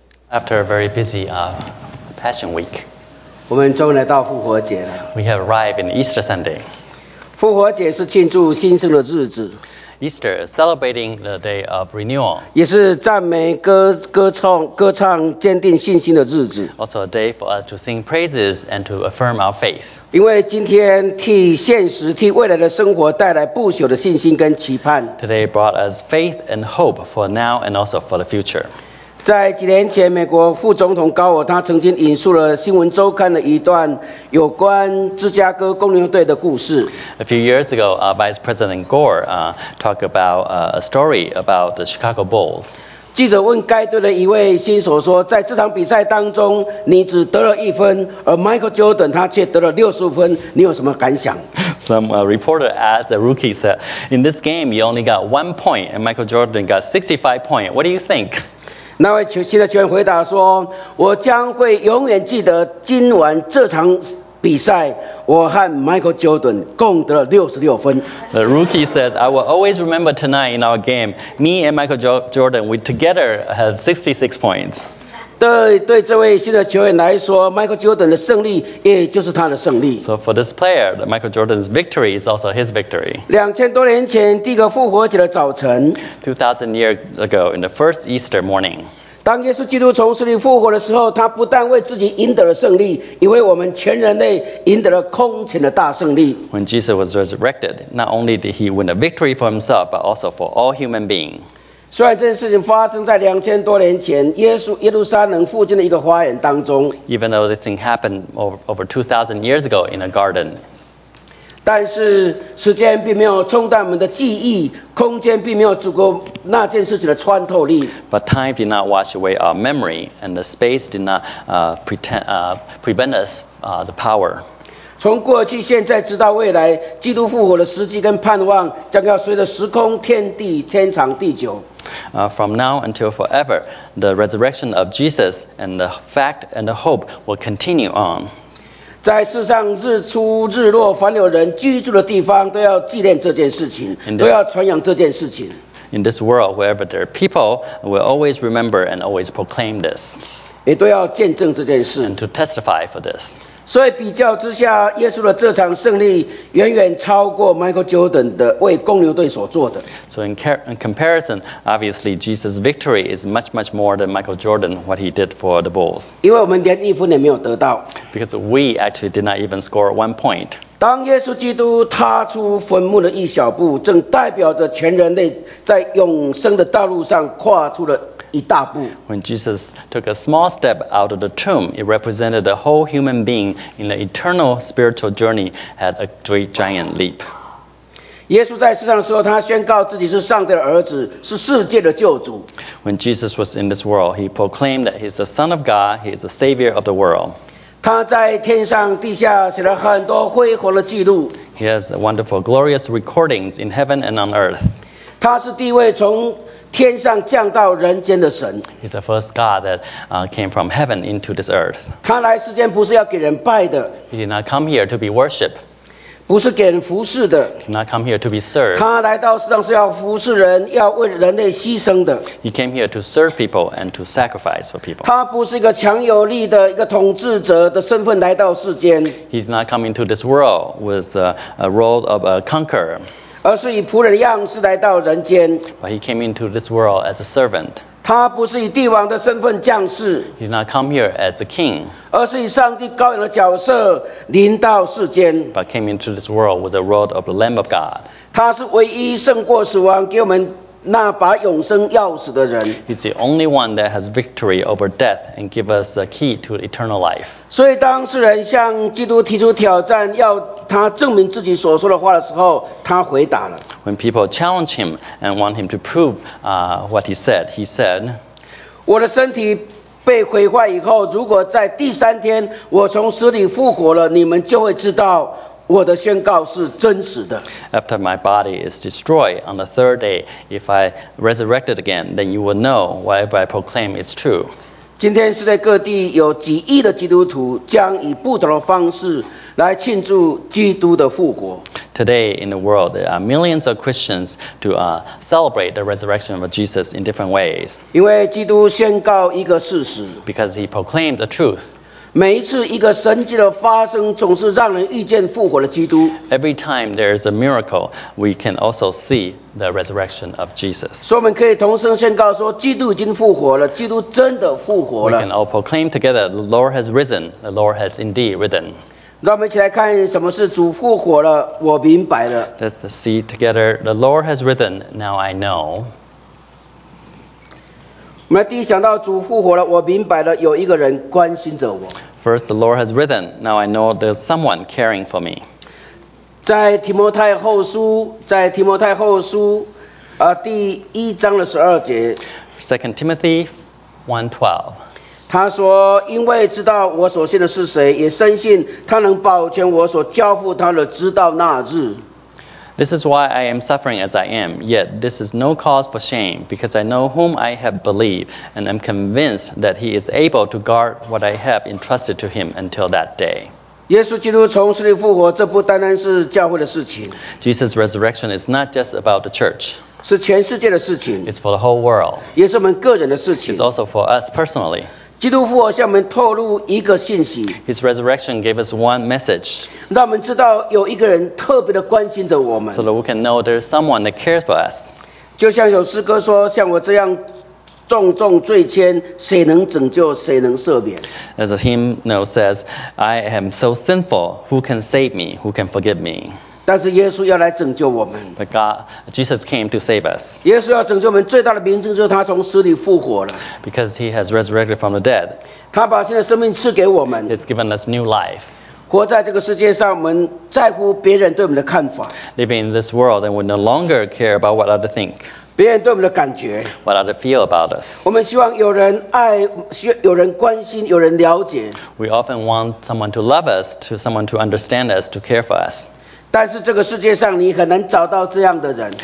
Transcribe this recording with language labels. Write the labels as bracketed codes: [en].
[en] After a very busy Passion Week, [zh] 我们终于来到复活节了。 [en] We have arrived in Easter Sunday. [zh] 复活节是庆祝新生的日子。 [en] Easter, celebrating the day of renewal. [zh] 也是赞美歌唱坚定信心的日子。 [en] Also a day for us to sing praises and to affirm our faith. [zh] 因为今天替现实替未来的生活带来不朽的信心跟期盼。 [en] Today brought us faith and hope for now and also for the future. [zh] 在几年前，美国副总统高尔他曾经引述了《新闻周刊》的一段有关芝加哥公牛队的故事。 [en] A few years ago, Vice President Gore talked about a story about the Chicago Bulls. [zh] 记者问该队的一位新手说：“在这场比赛当中，你只得了一分，而 Michael Jordan 他却得了65分，你有什么感想？” [en] Some reporter asked a rookie, said, "In this game, you only got 1 point, and Michael Jordan got 65 points. What do you think?" [zh] 那位球星的球员回答说：“我将会永远记得今晚这场比赛，我和 Michael Jordan 共得了66分。” [en] The rookie says, "I will always remember tonight in our game. Me and Michael Jordan, we together had 66 points." [zh] 对这位新的球员来说 ，Michael Jordan 的胜利也就是他的胜利。 [en] So for this player, Michael Jordan's victory is also his victory. [zh] 2000多年前，第一个复活节的早晨。 [en] 2000 years ago, in the first Easter morning. [zh] 当耶稣基督从死里复活的时候，他不但为自己赢得了胜利，也为我们全人类赢得了空前的大胜利。 [en] When Jesus was resurrected, not only did he win a victory for himself, but also for all human beings. [zh] 虽然这件事情发生在2000多年前，耶路撒冷附近的一个花园当中。 [en] Even though this thing happened over 2,000 years ago in a garden. [zh] 但是时间并没有冲淡我们的记忆，空间并没有足够那件事情的穿透力。 [en] But time did not wash away our memory, and the space did not prevent us the power. [zh] 从过去、现在直到未来，基督复活的时机跟盼望将要随着时空、天地、天长地久。 [en] From now until forever, the resurrection of Jesus and the fact and the hope will continue on. [zh] 在世上日出日落，凡有人居住的地方，都要纪念这件事情，都要传扬这件事情。 [en] In this world, wherever there are people, will always remember and always proclaim this. [zh] 也都要见证这件事。 [en] And to testify for this. [zh] 所以比较之下，耶稣的这场胜利远远超过 Michael Jordan 的为公牛队所做的。 [en] So in comparison, obviously Jesus' victory is much more than Michael Jordan what he did for the Bulls. [zh] 因为我们连一分也没有得到。 [en] Because we actually did not even score 1 point. [zh] 当耶稣基督踏出坟墓的一小步，正代表着全人类在永生的道路上跨出了。 [en] When Jesus took a small step out of the tomb, it represented a whole human being in the eternal spiritual journey at a great giant leap. [zh] 耶稣在世上的时候，他宣告自己是上帝的儿子，是世界的救主。 [en] When Jesus was in this world, he proclaimed that he is the Son of God, he is the Savior of the world. [zh] 他在天上地下写了很多辉煌的记录。 [en] He has wonderful, glorious recordings in heaven and on earth. [zh] 他是第一位从天上降到人间的神。 [en] He's the first God that came from heaven into this earth. [zh] 他来世间不是要给人拜的。 [en] He did not come here to be worshipped. [zh] 不是给人服侍的。 [en] He did not come here to be served. [zh] 他来到世上是要服侍人，要为人类牺牲的。 [en] He came here to serve people and to sacrifice for people. [zh] 他不是一个强有力的一个统治者的身份来到世间。 [en] He did not come into this world with a role of a conqueror. [zh] 而是以仆人的样式来到人间。 [en] But he came into this world as a servant. [zh] 他不是以帝王的身份降世。 [en] He did not come here as a king. [zh] 而是以上帝羔羊的角色临到世间。 [en] But came into this world with the role of the Lamb of God. [zh] 他是唯一胜过死亡，给我们那把永生钥匙的人。 [en] He's the only one that has victory over death and give us a key to eternal life. [zh] 所以当世人向基督提出挑战，要他证明自己所说的话的时候，他回答了。 [en] When people challenge him and want him to prove what he said, [zh] 我的身体被毁坏以后，如果在第三天我从死里复活了，你们就会知道。我的宣告是真实的。 [en] After my body is destroyed on the third day, if I resurrected again, then you will know whatever I proclaim is true. [zh] 今天世界各地有几亿的基督徒将以不同的方式来庆祝基督的复活。 [en] Today in the world, there are millions of Christians to celebrate the resurrection of Jesus in different ways. [zh] 因为基督宣告一个事实。 [en] Because he proclaimed the truth. [zh] 每一次一个神迹的发生，总是让人遇见复活的基督。 [en] Every time there is a miracle, we can also see the resurrection of Jesus. [zh] 所以我们可以同声宣告说，基督已经复活了，基督真的复活了。 [en] We can all proclaim together, the Lord has risen, the Lord has indeed risen. [zh] 让我们一起来看什么是主复活了，我明白了。 [en] Let's see together. The Lord has risen. Now I know. [zh] 我们第一想到主复活了，我明白了，有一个人关心着我。 [en] First, the Lord has risen. Now I know there's someone caring for me. [zh] 在提摩太后书，在提摩太后书，第一章的十二节。 [en] Second Timothy 1:12. [zh] 他说：“因为知道我所信的是谁，也深信他能保全我所交付他的，直到那日。” [en] This is why I am suffering as I am. Yet this is no cause for shame, because I know whom I have believed, and am convinced that he is able to guard what I have entrusted to him until that day. [zh] 耶稣基督从死里复活，这不单单是教会的事情。 [en] Jesus' resurrection is not just about the church. [zh] 是全世界的事情。 [en] It's for the whole world. [zh] 也是我们个人的事情。 [en] It's also for us personally. [zh] 基督复活向我们透露一个信息。 [en] His resurrection gave us one message. [zh] 让我们知道有一个人特别的关心着我们。 [en] So that we can know there's someone that cares for us. [zh] 就像有诗歌说，像我这样重重罪愆，谁能拯救，谁能赦免。 [en] As a hymn now says, I am so sinful, who can save me, who can forgive me? [zh] 但是耶稣要来拯救我们。 [en] But God, Jesus came to save us. [zh] 耶稣要拯救我们最大的明证就是他从死里复活了。 [en] Because he has resurrected from the dead. [zh] 他把新的生命赐给我们。 [en] He's given us new life. [zh] 活在这个世界上，我们在乎别人对我们的看法。 [en] Living in this world, and we no longer care about what others think. [zh] 别人对我们的感觉。 [en] What others feel about us. [zh] 我们希望有人爱，有人关心，有人了解。 [en] We often want someone to love us, to someone to understand us, to care for us. [zh] 但是这个世界上你很难找到这样的人。